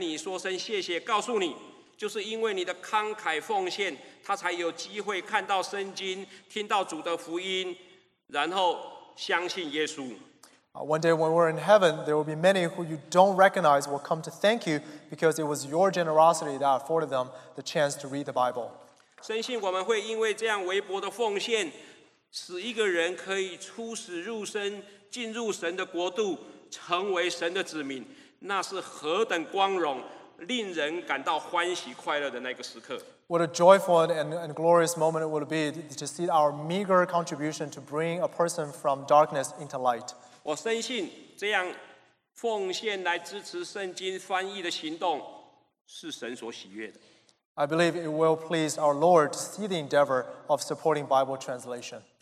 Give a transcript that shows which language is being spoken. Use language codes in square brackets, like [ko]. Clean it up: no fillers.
[zh] 有一天,当我们在天上,有一个你不认识的人来跟你说声谢谢,告诉你, 就是因为你的慷慨奉献,他才有机会看到圣经,听到主的福音,然后相信耶稣。 [en] One day when we're in heaven, there will be many who you don't recognize will come to thank you because it was your generosity that afforded them the chance to read the Bible. [zh] 深信我们会因为这样微薄的奉献,使一个人可以出死入生,进入神的国度,成为神的子民,那是何等光荣,令人感到欢喜快乐的那个时刻。 [en] What a joyful and glorious moment it would be to see our meager contribution to bring a person from darkness into light. [zh] 我深信这样奉献来支持圣经翻译的行动是神所喜悦的。 [en] I believe it will please our Lord to see the endeavor of supporting Bible translation.